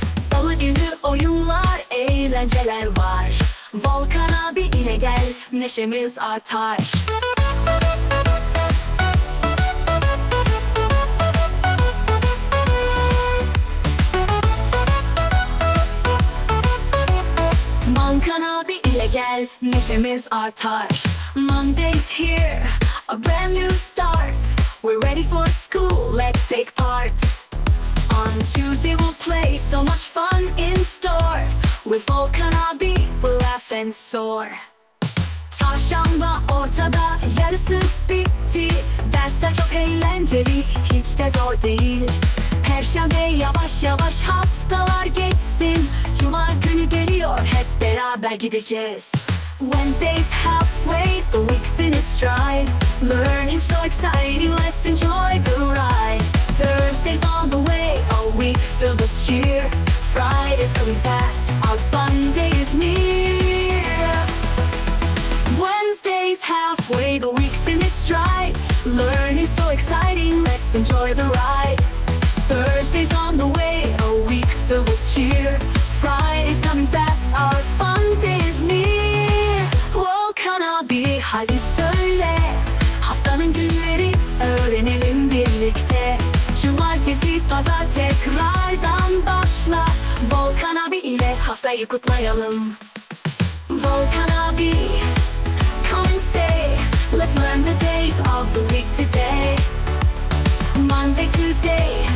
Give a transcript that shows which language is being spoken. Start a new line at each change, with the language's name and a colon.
Turkish: Salı günü oyunlar, eğlenceler var. Volkan abi ile gel, neşemiz artar. Volkan abi ile gel, neşemiz artar.
English: Monday's here, a brand new start. We're ready for school, let's take part. On Tuesday we'll play, so much fun in store. With Volkan abi we'll laugh and soar.
Turkish: Çarşamba ortada, yarısı bitti. Dersler çok eğlenceli, hiç de zor değil. Perşembe yavaş yavaş haftalar geçsin. Cuma günü geliyor, hep beraber gideceğiz.
English: Wednesday's halfway, the week's in its stride. Learning's so exciting, let's enjoy the ride. Thursday's on the way, a week filled with cheer. Friday's coming fast, our fun day is near. Wednesday's halfway, the week's in its stride. Learning's so exciting, let's enjoy the ride. Thursday's on the way, a week filled with cheer. Friday's coming fast, our fun day is near.
Turkish: Volkan abi, hadi söyle, haftanın günleri öğrenelim birlikte. Cumartesi, pazar tekrardan başla. Volkan abi ile haftayı kutlayalım.
English: Volkan abi, come and say, let's learn the days of the week today. Monday, Tuesday,